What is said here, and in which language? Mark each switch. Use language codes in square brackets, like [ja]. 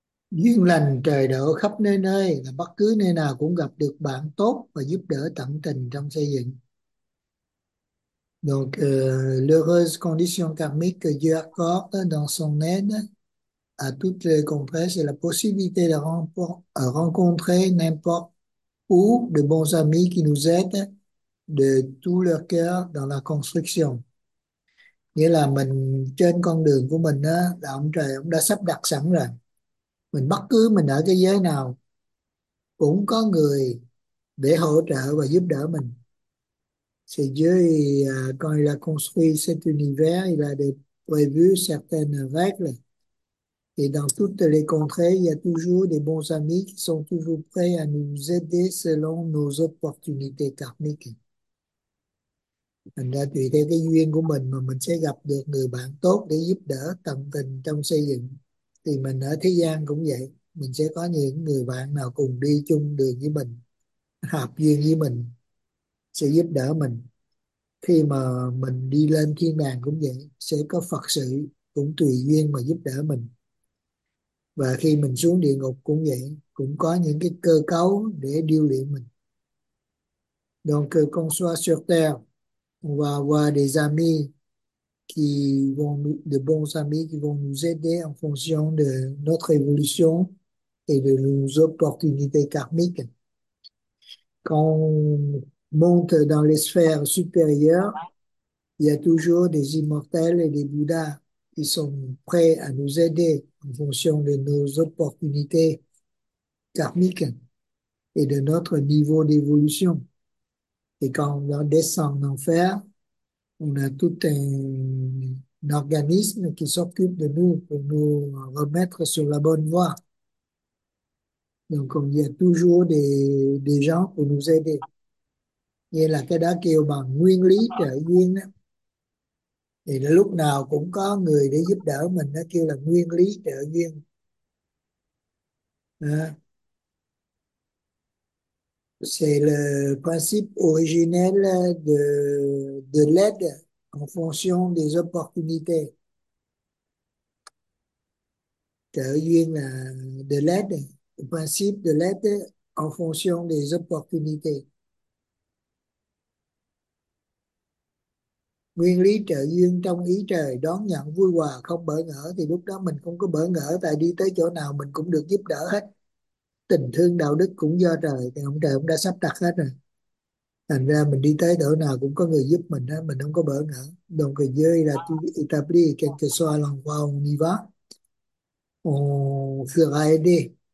[vi] Duyên lành trời đổ khắp nơi nơi là bất cứ nơi nào cũng gặp được bạn tốt và giúp đỡ tận tình trong xây dựng. [fr] Donc, l'heureuse condition karmique que Dieu accorde dans son aide à toutes les contrées, c'est la possibilité de rencontrer n'importe où de bons amis qui nous aident de tout leur cœur dans la construction. [vi] Nghĩa là mình trên con đường của mình là ông trời ông đã sắp đặt sẵn rồi. Mình ở thế giới nào cũng có người để hỗ trợ và giúp đỡ mình. [fr] C'est Dieu quand il a construit cet univers, il a prévu certaines règles. Et dans toutes les contrées, il y a toujours des bons amis qui sont toujours prêts à nous aider selon nos opportunités karmiques. [vi] Thành ra tùy theo cái duyên của mình mà mình sẽ gặp được người bạn tốt để giúp đỡ tận tình trong xây dựng. Thì mình ở thế gian cũng vậy, mình sẽ có những người bạn nào cùng đi chung đường với mình, hợp duyên với mình, sẽ giúp đỡ mình. Khi mà mình đi lên thiên đàng cũng vậy, sẽ có Phật sự cũng tùy duyên mà giúp đỡ mình. Và khi mình xuống địa ngục cũng vậy, cũng có những cái cơ cấu để điêu luyện mình. [fr] Donc qu'on soit sur terre, on va avoir des amis qui vont nous, de bons amis qui vont nous aider en fonction de notre évolution et de nos opportunités karmiques. Quand on monte dans les sphères supérieures, il y a toujours des immortels et des bouddhas qui sont prêts à nous aider en fonction de nos opportunités karmiques et de notre niveau d'évolution. Et quand on descend en enfer, on a tout un organisme qui s'occupe de nous pour nous remettre sur la bonne voie. Donc, il y a toujours des gens pour nous aider. [vi] Nghĩa là cái đó kêu bằng nguyên lý trợ duyên đó. Thì lúc nào cũng có người để giúp đỡ mình, nó kêu là nguyên lý trợ duyên. À. [fr] C'est le principe originel de l'aide en fonction des opportunités. [vi] Trợ duyên là [fr] de l'aide, le principe de l'aide en fonction des opportunités. [vi] Nguyên lý trợ duyên trong ý trời đón nhận vui hòa không bỡ ngỡ, thì lúc đó mình không có bỡ ngỡ, tại đi tới chỗ nào mình cũng được giúp đỡ hết. Tình thương đạo đức cũng do trời, thì ông trời cũng đã sắp đặt hết rồi. Thành ra mình đi tới chỗ nào cũng có người giúp mình đó, mình không có bỡ ngỡ. [fr] Donc Dieu là tu établi quel que soit l'endroit où on y va, on sera aidé.